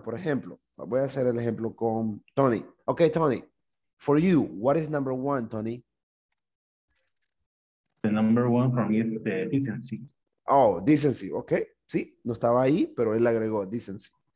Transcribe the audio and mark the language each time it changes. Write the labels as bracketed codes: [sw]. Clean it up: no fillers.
[es] Por ejemplo, voy a hacer el ejemplo con Tony. [en] Okay, Tony, for you, what is number one, Tony? The number one for me is the decency. Oh, decency. Okay. [es] Sí, no estaba ahí, pero él agregó decency.